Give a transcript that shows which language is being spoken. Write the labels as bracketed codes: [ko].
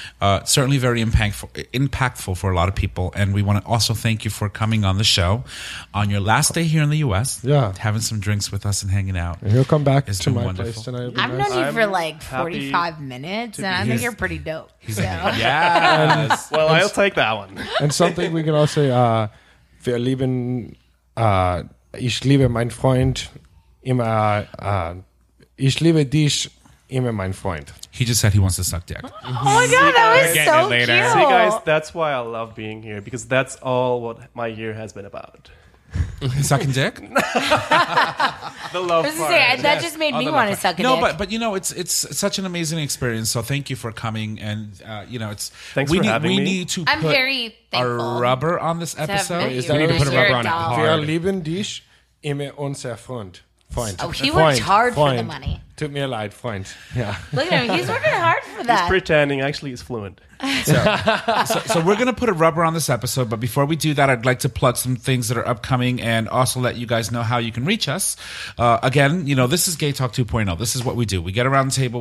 [en] Certainly very impactful for a lot of people. And we want to also thank you for coming on the show on your last day here in the U.S. Yeah. Having some drinks with us and hanging out. And he'll come back it's to my wonderful. Place tonight. I've known you for like 45 minutes, and I think you're pretty dope. Yeah. Well, I'll take that one. And something we can all say, [de] wir lieben, ich liebe mein Freund immer, ich liebe dich immer mein Freund. [en] He just said he wants to suck dick. Oh my God, that was so cute. See guys, that's why I love being here, because that's all what my year has been about. Sucking dick? The love part. That just made me want to suck a dick. No, but you know, it's such an amazing experience. So thank you for coming. And, you know, it's... Thanks for having me. We need to put a rubber on this episode. We need to put a rubber on it. [de] Wir lieben dich immer unser Freund. Freund. [en] Oh, he worked hard for the money. [de] Tut mir leid, Freund. Yeah. [en] Look at him. He's working hard for that. He's pretending. Actually, he's fluent. So we're going to put a rubber on this episode. But before we do that, I'd like to plug some things that are upcoming and also let you guys know how you can reach us. Again, you know, this is Gay Talk 2.0. This is what we do. We get around the table.